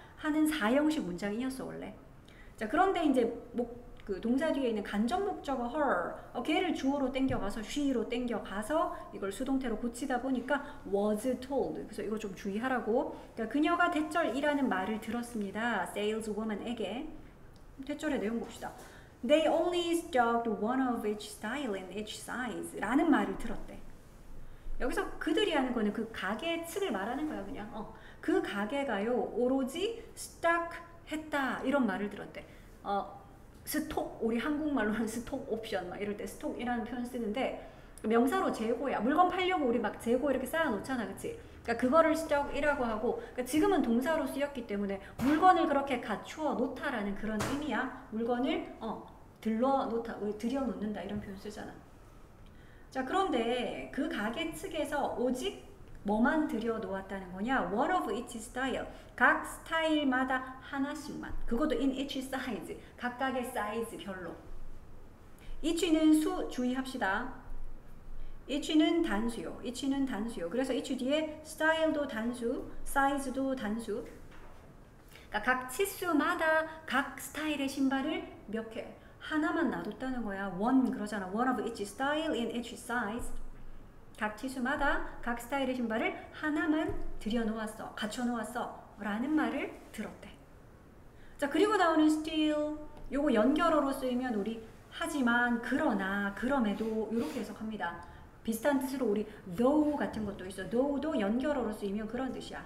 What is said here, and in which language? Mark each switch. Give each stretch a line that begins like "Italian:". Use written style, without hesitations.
Korean: 하는 사형식 문장이었어, 원래. 자, 그런데 이제 그 동사 뒤에 있는 간접 목적어 her, 걔를 주어로 땡겨가서 she로 땡겨가서 이걸 수동태로 고치다 보니까
English: was told.
Korean: 그래서 이거 좀 주의하라고. 그러니까 그녀가 대절이라는 말을 들었습니다. saleswoman에게. 대절의 내용 봅시다.
English: They only stocked one of each style and each size
Korean: 라는 말을 들었대. 여기서 그들이 하는 거는 그 가게 측을 말하는 거야, 그냥. 그 가게가요, 오로지 stock 했다. 이런 말을 들었대. 스톡, 우리 한국말로는 스톡 옵션, 막 이럴 때 스톡이라는 표현 쓰는데, 명사로 재고야. 물건 팔려고 우리 막 재고 이렇게 쌓아놓잖아, 그치? 그러니까 그거를 스톡이라고 하고, 그러니까 지금은 동사로 쓰였기 때문에, 물건을 그렇게 갖추어 놓다라는 그런 의미야. 물건을, 들러 놓다, 들여 놓는다, 이런 표현 쓰잖아. 자, 그런데 그 가게 측에서 오직 뭐만 들여 놓았다는 거냐?
English: One of each style.
Korean: 각 스타일마다 하나씩만. 그것도
English: in each size.
Korean: 각각의 사이즈 별로. each는 수, 주의합시다. each는 단수요. each는 단수요. 그래서 each 뒤에 style도 단수, size도 단수. 그러니까 각 치수마다 각 스타일의 신발을 몇 개? 하나만 놔뒀다는 거야. one 그러잖아.
English: one of each style in each size.
Korean: 각 치수마다 각 스타일의 신발을 하나만 들여놓았어, 갖춰놓았어 라는 말을 들었대. 자, 그리고 나오는 still, 요거 연결어로 쓰이면 우리 하지만, 그러나, 그럼에도 이렇게 해석합니다. 비슷한 뜻으로 우리 though 같은 것도 있어. though도 연결어로 쓰이면 그런 뜻이야.